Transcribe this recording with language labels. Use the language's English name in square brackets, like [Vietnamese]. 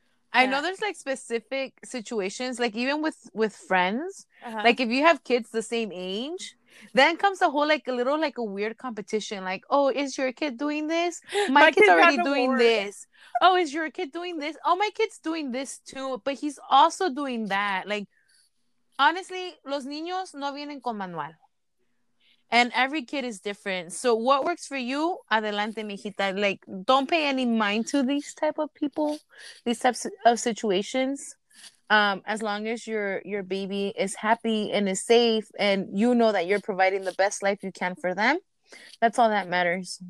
[English] I know there's like specific situations, like even with friends, uh-huh. Like if you have kids the same age, then comes a whole like a little like a weird competition, like, oh, is your kid doing this? My kid's already doing this. Oh, is your kid doing this? Oh, my kid's doing this too, but he's also doing that. Like, honestly, [Spanish] los niños no vienen con manual. [English] And every kid is different. So what works for you, [Spanish] adelante, mijita. [English] Like, don't pay any mind to these type of people, these types of situations. As long as your baby is happy and is safe and you know that you're providing the best life you can for them, that's all that matters.